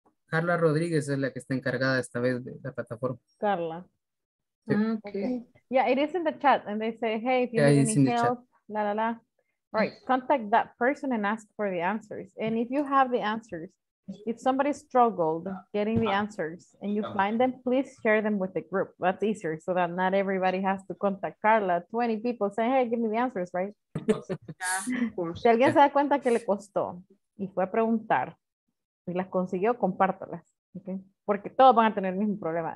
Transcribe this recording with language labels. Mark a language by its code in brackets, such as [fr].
[es] Carla Rodriguez es la que está encargada esta vez de la plataforma. Carla. Sí. Okay. [en] Yeah, it is in the chat. And they say, hey, if you need any help, la, la, la. All right, contact that person and ask for the answers. And if you have the answers, if somebody struggled getting the answers and you find them, please share them with the group. That's easier so that not everybody has to contact Carla. 20 people say, hey, give me the answers, right? Yeah, [es] si alguien se da cuenta que le costó y fue a preguntar y las consiguió, compártelas. Okay? Porque todos van a tener el mismo problema.